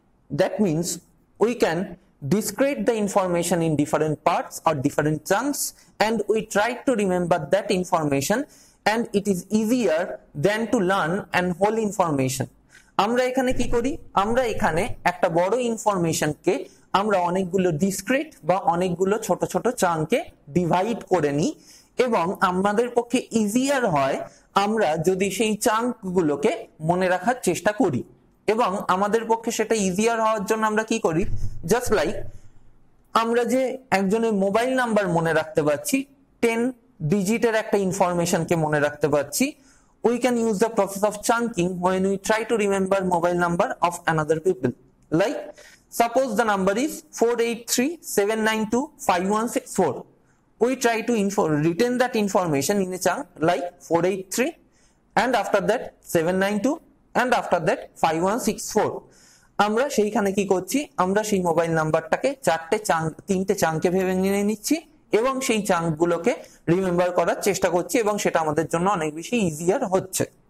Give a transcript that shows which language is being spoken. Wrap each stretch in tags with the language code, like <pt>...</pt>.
<en>That means we can discrete the information in different parts or different chunks, and we try to remember that information, and it is easier than to learn an whole information.</en> <bn>Amra ekhane ki kori? Amra ekhane ekta boro information ke আমরা অনেকগুলো discrete বা অনেকগুলো ছোট ছোট চাঙ্কে divide করে নিই, এবং আমাদের পক্ষে ইজিয়ার হয় আমরা যদি সেই চাঙ্কগুলোকে মনে রাখার চেষ্টা করি। এবং আমাদের পক্ষে সেটা ইজিয়ার হওয়ার জন্য আমরা কি করি, জাস্ট লাইক আমরা যে একজনের মোবাইল নাম্বার মনে রাখতে পারছি, 10 ডিজিটের একটা ইনফরমেশনকে মনে রাখতে পারছি,</bn> <en>We can use the process of chunking when we try to remember mobile number of another people.</en> <bn>Like</bn> <en>Suppose the number is 483-792-5164. We try to retain that information in a chunk like 483 and after that 792 and after that 5164.</en> <bn>আমরা সেইখানে কি করছি, আমরা সেই mobile নাম্বারটাকে চারটে chunk, তিনটে চাঙ্কে ভেবে নিয়ে নিচ্ছি এবং সেই চাঙ্কগুলোকে রিমেম্বার করার চেষ্টা করছি এবং সেটা আমাদের জন্য অনেক বেশি ইজিয়ার হচ্ছে।</bn>